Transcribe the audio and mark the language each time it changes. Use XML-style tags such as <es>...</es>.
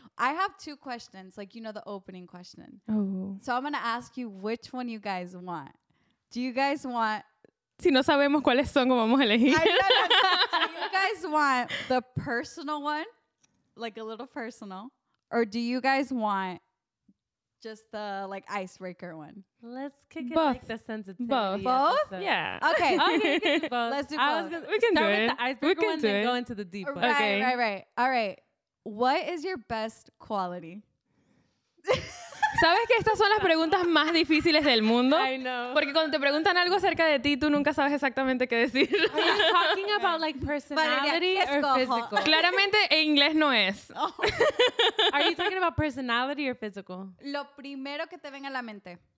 <en>I have two questions, like, you know, the opening question. Oh. So I'm going to ask you which one you guys want. Do you guys want...</en> <es>Si no sabemos cuáles son, ¿cómo vamos a elegir?</es> <en>I know, no. Do you guys want the personal one? Like a little personal? Or do you guys want... Just the, like, icebreaker one. Let's kick both. It like the sensitivity. Both. Both? Yeah. Okay. Okay, let's do both. We can start with the icebreaker one, then go into the deep one. Right, okay. Right. All right. What is your best quality?</en> <es>¿Sabes que estas son las preguntas más difíciles del mundo?</es> <en>I know.</en> <es>Porque cuando te preguntan algo acerca de ti, tú nunca sabes exactamente qué decir.</es> <en>Are you talking about, like, personality or physical?</en> <es>Claramente, en inglés no es.</es> <en>Are you talking about personality or physical?</en> <es>Lo primero que te venga a la mente.</es>